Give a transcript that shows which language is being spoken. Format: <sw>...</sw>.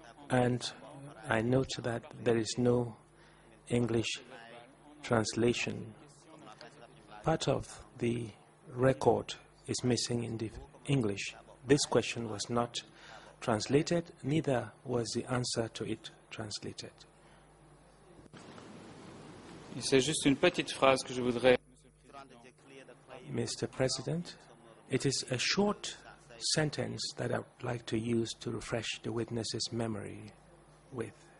<en>And I note that there is no English translation. Part of the record is missing in the English. This question was not translated, neither was the answer to it translated.</en> <fr>C'est juste une petite phrase que je voudrais.</fr> <en>Mr. President, it is a short sentence that I would like to use to refresh the witness's memory with.</en>